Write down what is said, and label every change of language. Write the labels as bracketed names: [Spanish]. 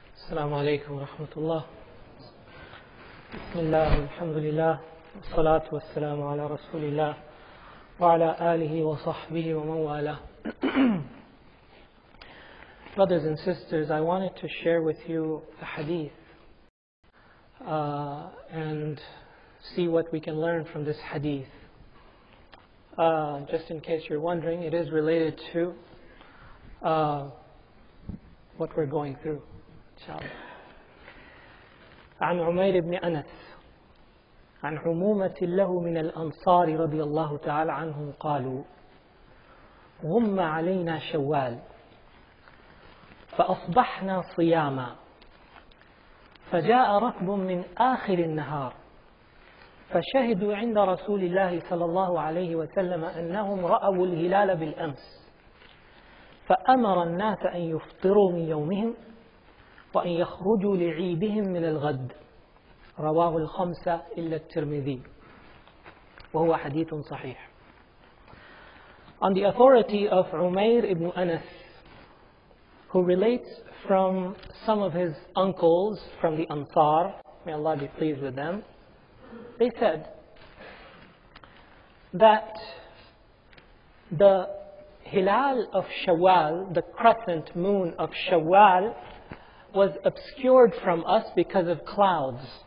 [Arabic] السلام عليكم ورحمة الله. بسم الله الحمد لله والصلاة والسلام على رسول الله وعلى آله وصحبه ومن والاه. [English] Brothers and sisters, I wanted to share with you a hadith and see what we can learn from this hadith. Just in case you're wondering, it is related to what we're going through. [Arabic] عن عمير بن أنس عن عمومة له من الأنصار رضي الله تعالى عنهم قالوا غم علينا شوال فأصبحنا صياما فجاء ركب من آخر النهار فشهدوا عند رسول الله صلى الله عليه وسلم أنهم رأوا الهلال بالأمس فأمر الناس أن يفطروا من يومهم وأن يخرجوا لعيدهم من الغد رواه الخمسة إلا الترمذي وهو حديث صحيح. [English] On the authority of Umair ibn Anas, who relates from some of his uncles from the Ansar, may Allah be pleased with them, they said that the Hilal of Shawwal, the crescent moon of Shawwal, was obscured from us because of clouds.